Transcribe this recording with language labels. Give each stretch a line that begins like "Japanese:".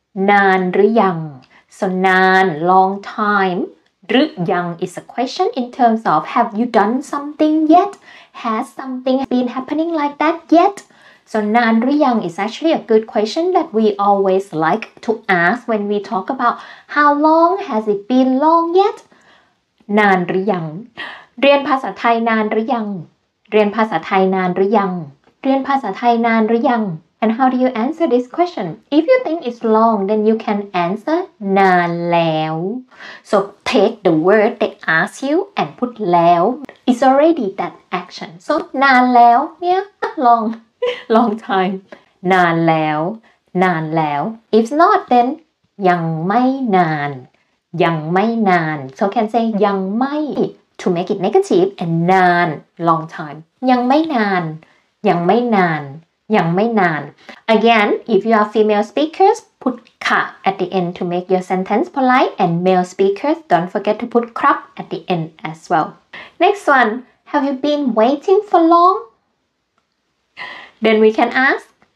Thai: นานหรือยัง
English: so นาน long time
Thai: หรือยัง
English: is a question in terms of have you done something yet has something been happening like that yetSo, นานหรือยัง is actually a good question that we always like to ask when we talk about how long has it been long yet?
Thai: นานหรือยังเรียนภาษาไทยนานหรือยังเรียนภาษาไทยนานหรือยังเรียนภาษาไทยนานหรือยัง
English: And how do you answer this question? If you think it's long, then you can answer
Thai: นานแล้ว
English: So, take the word they ask you and put แล้ว It's already that action.
Thai: So, นานแล้วเนี่ย
English: longlong time
Thai: นานแล้วนานแล้ว
English: if not then
Thai: ยังไม่นาน ยังไม่นาน
English: so can say
Thai: ยังไม่
English: to make it negative and นาน long time
Thai: ยังไม่นานยังไม่นานยังไม่นาน
English: again if you are female speakers put ค่ะ at the end to make your sentence polite and male speakers don't forget to put ครับ at the end as well next one have you been waiting for longThen we can ask,